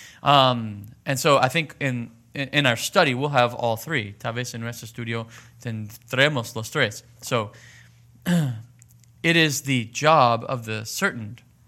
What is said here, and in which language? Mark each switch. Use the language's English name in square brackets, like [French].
[English] And so I think in our study, we'll have all three. [Spanish] Tal vez en nuestro estudio tendremos los tres. [English] So it is the job of the certain.